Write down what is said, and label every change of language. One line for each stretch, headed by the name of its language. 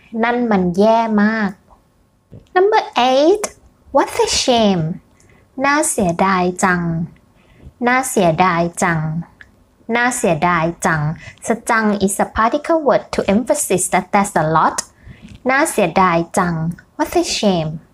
Thai: นั่นมันแย่มาก
English: Number 8, what a shame.
Thai: น่าเสียดายจังน่าเสียดายจังน่าเสียดายจัง
English: so จัง is a particle word to emphasize that that's a lot.
Thai: น่าเสียดายจัง
English: what a shame.